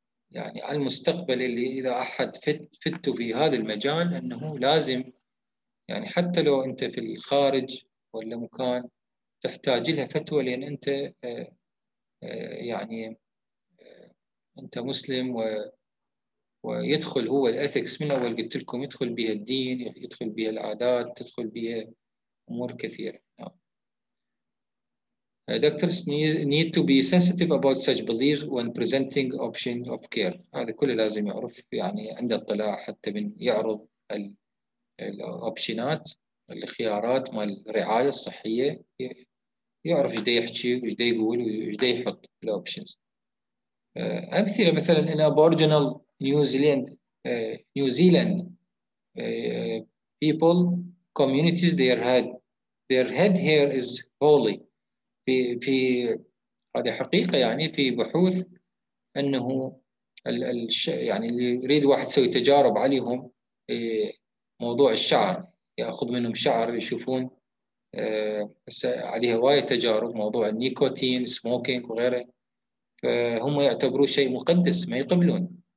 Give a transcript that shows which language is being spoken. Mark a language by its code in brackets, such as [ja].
[ar] يعني على المستقبل اللي إذا أحد فت في هذا المجال أنه لازم يعني حتى لو أنت في الخارج ولا مكان تحتاج لها فتوى، لأن أنت يعني أنت مسلم ويدخل هو الأثكس من أول قلت لكم، يدخل بها الدين، يدخل بها العادات، تدخل بها أمور كثيرة. [en] Doctors need to be sensitive about such beliefs when presenting options of care. [ar] هذا كله لازم يعرف يعني عند الطلاع حتى من يعرض الأوبشنات الخيارات مال الرعاية الصحية، يعرف إيش يحكي وإيش يقول وإيش يحط الأوبشنز. أمثلة مثلا إن [en] Aboriginal New Zealand people communities their head hair is holy. [ar] في هذه حقيقة يعني في بحوث أنه يعني اللي يريد واحد يسوي تجارب عليهم موضوع الشعر، يأخذ منهم شعر يشوفون عليها واية تجارب موضوع النيكوتين سموكينج وغيره، فهم يعتبروه شيء مقدس ما يقبلون.